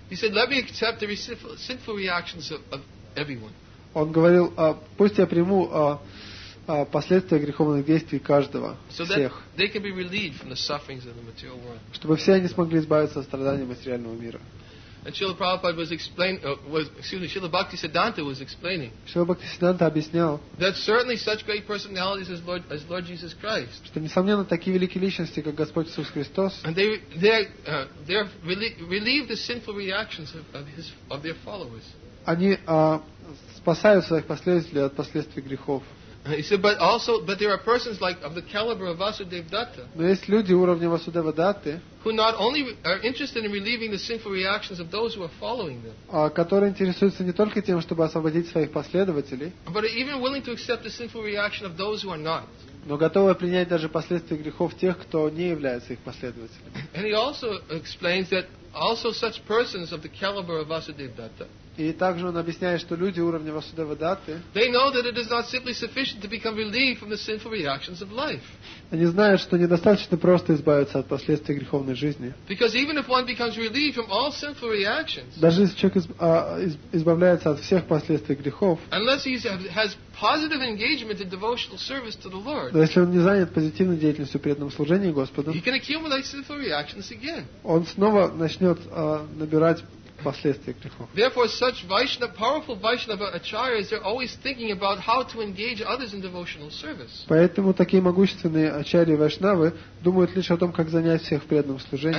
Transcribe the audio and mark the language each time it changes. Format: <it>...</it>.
<en>He said, "Let me accept the sinful reactions of everyone."</en> <ru>Он говорил, пусть я приму последствия греховных действий каждого, всех,</ru> <en>they can be relieved from the sufferings of the material world.</en> <ru>Чтобы все они смогли избавиться от страданий материального мира.</ru> <en>And Srila Prabhupada was explaining, Srila Bhaktisiddhanta was explaining.</en> <ru>Srila Bhaktisiddhanta объяснял.</ru> <en>That certainly such great personalities as Lord Jesus Christ.</en> <ru>Что несомненно такие великие личности как Господь Иисус Христос.</ru> <en>And they relieve the sinful reactions of their followers.</en> <ru>Они спасают своих последователей от последствий грехов.</ru> <en>He said, but also, but there are persons like of the caliber of Vasudev Datta.</en> <ru>Но есть люди уровня Васудева Датты.</ru> <en>Who not only are interested in relieving the sinful reactions of those who are following them.</en> <ru>Которые интересуются не только тем, чтобы освободить своих последователей.</ru> <en>But are even willing to accept the sinful reaction of those who are not.</en> <ru>Но готовы принять даже последствия грехов тех, кто не является их последователем.</ru> <en>And he also explains that also such persons of the caliber of Vasudev Datta.</en> <ru>И также он объясняет, что люди уровня Васудева Датты.</ru> <en>They know that it is not simply sufficient to become relieved from the sinful reactions of life.</en> <ru>Они знают, что недостаточно просто избавиться от последствий греховной жизни.</ru> <en>Because even if one becomes relieved from all sinful reactions.</en> <ru>Даже если человек избавляется от всех последствий грехов.</ru> <en>Unless he has positive engagement in devotional service to the Lord.</en> <ru>Но если он не занят позитивной деятельностью преданном служении Господу.</ru> <en>He can accumulate sinful reactions again.</en> <ru>Он снова начнет набирать последствия грехов.</ru> <en>Therefore, such Vaishnava, powerful Vaishnava acharyas, they're always thinking about how to engage others in devotional service.</en> <ru>Поэтому такие могущественные ачарьи вайшнавы думают лишь о том, как занять всех в преданном служении.</ru>